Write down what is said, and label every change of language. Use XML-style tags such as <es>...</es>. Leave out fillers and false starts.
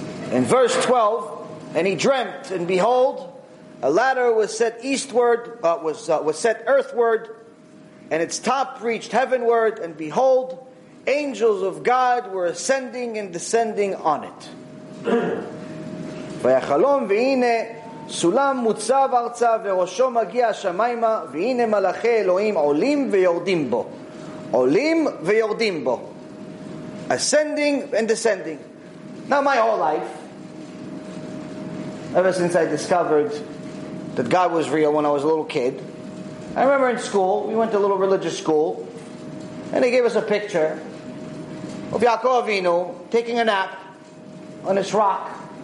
<en>In verse 12, and he dreamt, and behold, a ladder was set eastward, was set earthward, and its top reached heavenward, and behold, angels of God were ascending and descending on it.</en> <he>ויחלום והנה סולם מוצב ארצה וראשו מגיע השמיימה והנה מלאכי אלוהים עולים ויורדים בו. עולים ויורדים בו.</he> <en>Ascending and descending. Now my whole life, ever since I discovered that God was real when I was a little kid, I remember in school, we went to a little religious school, and they gave us a picture of Yaakov Avinu taking a nap on this rock.</en>